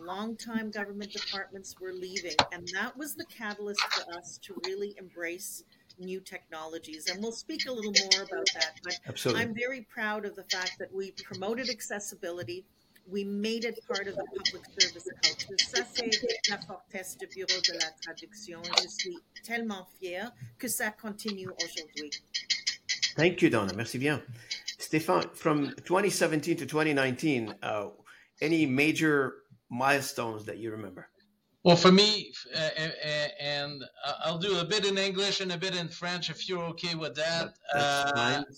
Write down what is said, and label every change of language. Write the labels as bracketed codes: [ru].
[en] Long-time government departments were leaving, and that was the catalyst for us to really embrace new technologies. And we'll speak a little more about that, but absolutely. I'm very proud of the fact that we promoted accessibility. We made it part of the public service culture. [fr] Ça, c'est la fortesse du Bureau de la Traduction. Je suis tellement fière que ça continue aujourd'hui. [en] Thank you, Donna. [fr] Merci bien. [en] Stéphane, from 2017 to 2019, any major milestones that you remember? Well, for me, and I'll do a bit in English and a bit in French, if you're okay with that. That's fine.